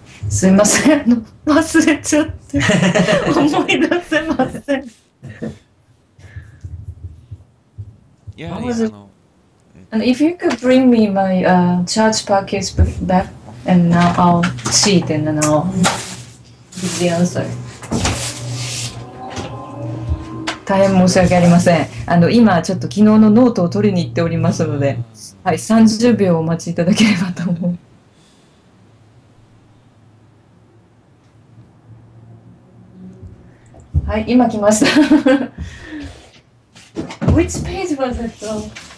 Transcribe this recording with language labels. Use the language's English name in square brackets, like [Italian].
[Japanese] すいません、忘れちゃって思い出せません。やはり、 [English] And if you could bring me my charge package back, and now I'll cheat and then I'll give the answer. [Japanese] 大変申し訳ありません。今ちょっと昨日のノートを取りに行っておりますので、はい、30秒お待ちいただければと思う。はい、今来ました。 [English] Which page was it though?